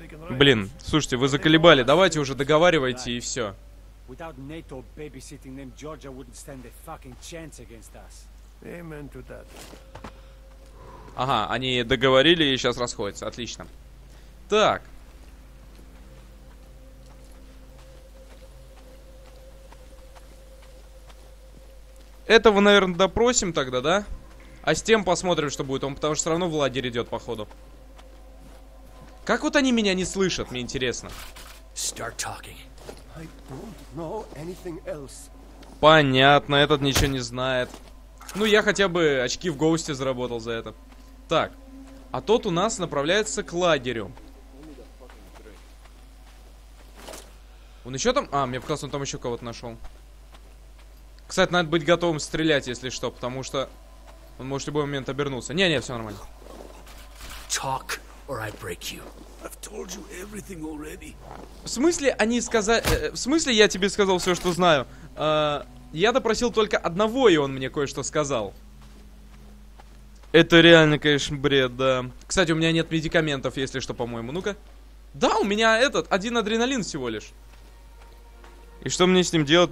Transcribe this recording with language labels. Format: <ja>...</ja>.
<ru>Блин, слушайте, вы заколебали, давайте уже договаривайте и все.</ru> <en>Without NATO babysitting them, Georgia wouldn't stand a fucking chance against us. Amen to that.</en> <ru>Ага, они договорили и сейчас расходятся. Отлично. Так. Этого, наверное, допросим тогда, да? А с тем посмотрим, что будет. Он, потому что все равно в лагерь идет, походу. Как вот они меня не слышат, мне интересно.</ru> <en>Start talking.</en> <ru>Понятно, этот ничего не знает. Ну, я хотя бы очки в Гоусте заработал за это. Так, а тот у нас направляется к лагерю. Он еще там? А, мне показалось, он там еще кого-то нашел. Кстати, надо быть готовым стрелять, если что, потому что он может в любой момент обернуться. Не-не, все нормально.</ru> <en>Talk or I break you. I've told you everything already.</en> <ru>В смысле, они сказали... В смысле, я тебе сказал все, что знаю. Я допросил только одного, и он мне кое-что сказал. Это реально, конечно, бред, да. Кстати, у меня нет медикаментов, если что, по-моему. Ну-ка. Да, у меня этот, один адреналин всего лишь. И что мне с ним делать?</ru>